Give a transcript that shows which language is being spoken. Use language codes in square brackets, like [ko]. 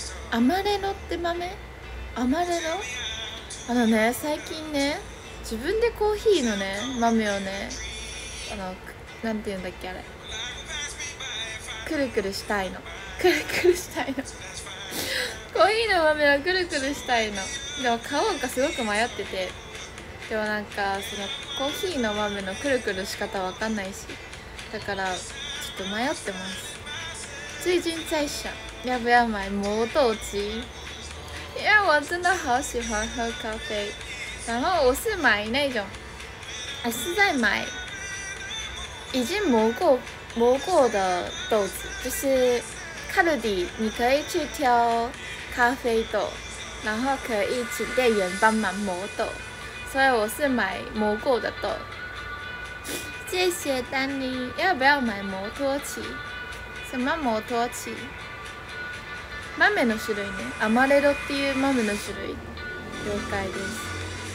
[ja] アマレロって豆？アマレロ？あのね、最近ね、自分でコーヒーのね豆をね、あの、なんていうんだっけ、あれくるくるしたいの、くるくるしたいの、コーヒーの豆はくるくるしたいの。でも買おうかすごく迷ってて、でもなんかそのコーヒーの豆のくるくる仕方わかんないし、だからちょっと迷ってます。 [zh] 最近在想要不要买磨豆机，因为我真的好喜欢喝咖啡。然后我是买那种，还是在买已经磨过的豆子，就是卡路里，你可以去挑咖啡豆，然后可以请店员帮忙磨豆，所以我是买磨过的豆。谢谢丹尼，要不要买磨脱器？什么磨脱器？ [ja] 豆の種類ね、アマレロっていう豆の種類、了解です。